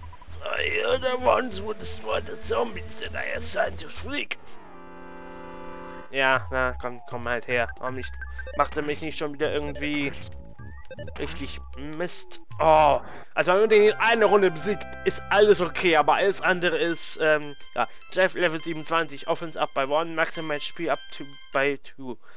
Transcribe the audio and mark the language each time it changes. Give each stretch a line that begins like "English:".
English: So, you're the ones who destroyed the zombies that I assigned to Freak.
German: Ja, na, komm, komm halt her. Warum nicht? Macht er mich nicht schon wieder irgendwie richtig Mist? Oh. Also, wenn man den in einer Runde besiegt, ist alles okay. Aber alles andere ist, ja.
English: Jeff Level 27, Offense up by 1, Maximal Speed up to by 2.